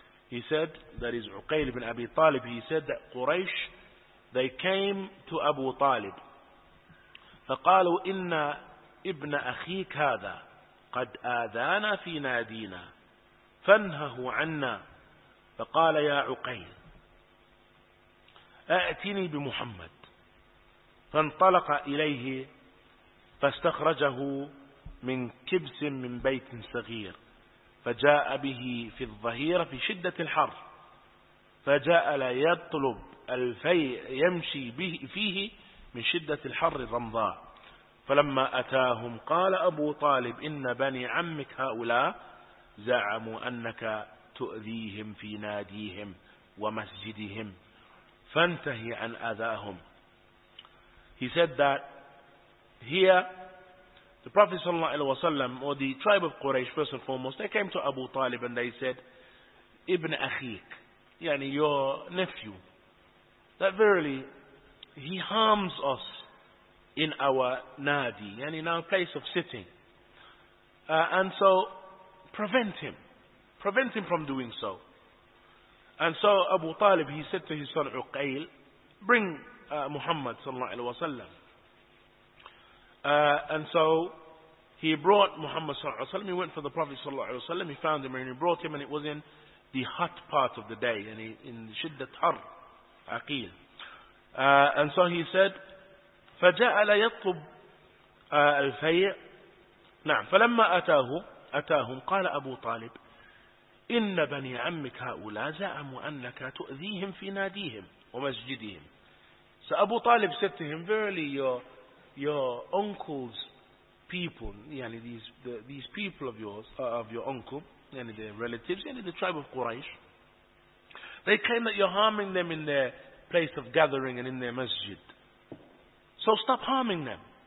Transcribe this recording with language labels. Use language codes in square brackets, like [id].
[en] He said, that is Uqayl ibn Abi Talib, he said that Quraysh, they came to Abu Talib. [ar] فَقَالُوا إِنَّ إِبْنَ أَخِيكَ هَذَا قَدْ آذَانَا فِي نَادِينَا فَانْهَهُ عَنَّا فَقَالَ يَا عُقَيْلِ أَأْتِنِي بِمُحَمَّدٍ فَانْطَلَقَ إِلَيْهِ فَاسْتَخْرَجَهُ مِنْ كِبْسٍ مِنْ بَيْتٍ صَغِيرٍ فَجَاءَ بِهِ فِي الظَّهِيرَ فِي شِدَّةِ الْحَرِّ فَجَاءَ لَا يَطْلُبْ الفيء يمشي به فيه من شدة الحر الرمضاء فلما أتاهم قال أبو طالب إن بني عمك هؤلاء زعموا أنك تؤذيهم في ناديهم ومسجدهم فانتهي عن أذاهم. [en] He said that here the Prophet sallallahu alaihi wasallam, or the tribe of Quraysh first and foremost, they came to Abu Talib and they said, [ar] Ibn Akhik, [en] yani your nephew, that verily he harms us in our nadi, and in our place of sitting. And so prevent him from doing so. And so Abu Talib, he said to his son Uqayl, bring Muhammad sallallahu alaihi wasallam. And so he brought Muhammad sallallahu alaihi wasallam. He went for the Prophet sallallahu alaihi wasallam. He found him and he brought him, and it was in the hot part of the day, and in [ar] shiddat har, [en] aqil. And so he said, [ar] فَجَاءَ لَيَطْلُبْ الْفَيْءِ نَعْمْ فَلَمَّا أَتَاهُمْ قَالَ أَبُو طَالِبْ إِنَّ بَنِي عَمِّكَ هَؤُلَا زَعَمُوا أَنَّكَ تُؤْذِيهِمْ فِي نَادِيهِمْ وَمَسْجِدِهِمْ. [en] So Abu Talib said to him, verily your uncle's people, yani these people of yours, of your uncle, yani their relatives, yani the tribe of Quraysh, they claim that you're harming them in their place of gathering and in their masjid. So stop harming them.